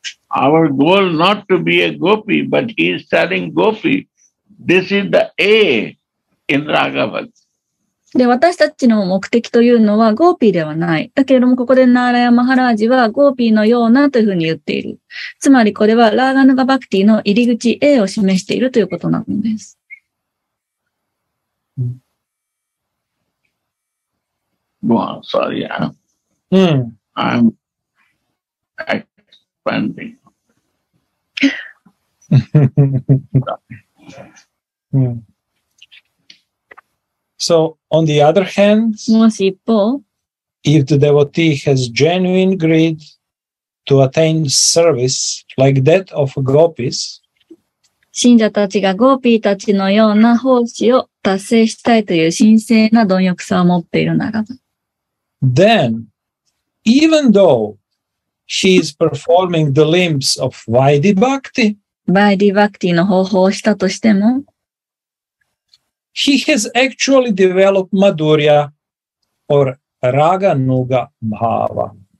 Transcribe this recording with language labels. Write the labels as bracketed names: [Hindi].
[English] Our goal not to be a gopi, but he is telling gopi, this is the A in Raghavat. [Japanese] で、私たちの目的というのはゴーピーではない。だけれども、ここでナーラヤ・マハラージはゴーピーのようなというふうに言っている。つまり、これはラーガヌガ・バクティの入り口 A を示しているということなんです。 [English] Go on, sorry. I'm expanding. So, on the other hand, if the devotee has genuine greed to attain service like that of gopis, [Japanese] 信者たちがゴーピーたちのような奉仕を達成したいという神聖な貪欲さを持っているならば, [English] then, even though he is performing the limbs of Vaidhi Bhakti, [Japanese] Vaidhi Bhakti の方法をしたとしても, [English] he has actually developed Madhurya or Raga Nuga Bhava.